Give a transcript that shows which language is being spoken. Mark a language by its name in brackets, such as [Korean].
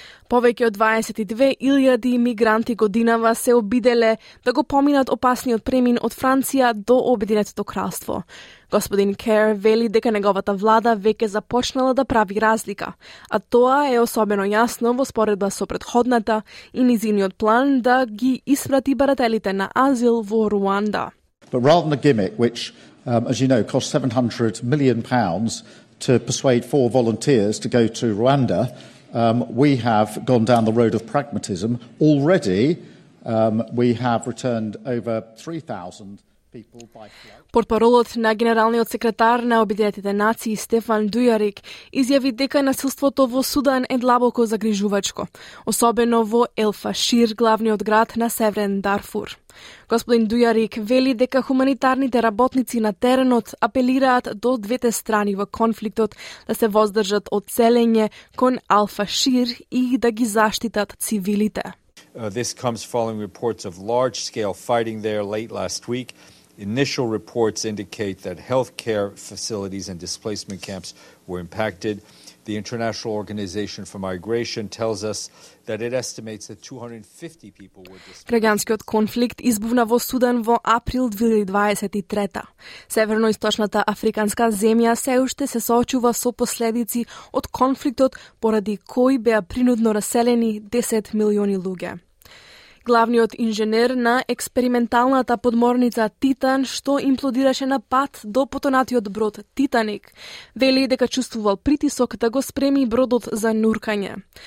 [Macedonian] Повеќе од 22.000 мигранти годинава се обиделе да го поминат опасниот премин од Франција до Обединетото кралство. Господин Кер вели дека неговата влада веќе започнала да прави разлика, а тоа е особено јасно во споредба со претходната и низиниот план да ги испрати барателите на азил во Руанда. [English] But rather than a gimmick, which, as you know, cost £700 million to persuade four volunteers to go to Rwanda, we have gone down the road of pragmatism. Already, we have returned over 3,000 people by flight. [Macedonian] Портпаролот на Генералниот секретар на Обединетите нации Стефан Дујарик изјави дека насилството во Судан е длабоко загрижувачко, особено во Елфашир, главниот град на Северен Дарфур. Господин Дујарик вели дека хуманитарните работници на теренот апелираат до двете страни во конфликтот да се воздржат од целење кон Елфашир и да ги заштитат цивилите. [English] This comes following reports of large-scale fighting there late last week. Initial reports indicate that healthcare facilities and displacement camps were impacted. The International Organization for Migration tells us that it estimates that 250 people were displaced. [Macedonian] Граѓанскиот конфликт избувна во Судан во април 2023. Североисточната африканска земја се уште се соочува со последици од конфликтот поради кој беа принудно раселени 10 милиони луѓе. Главниот инженер на експерименталната подморница Титан, што имплодираше на пат до потонатиот брод Титаник, вели дека чувствувал притисок да го спреми бродот за нуркање.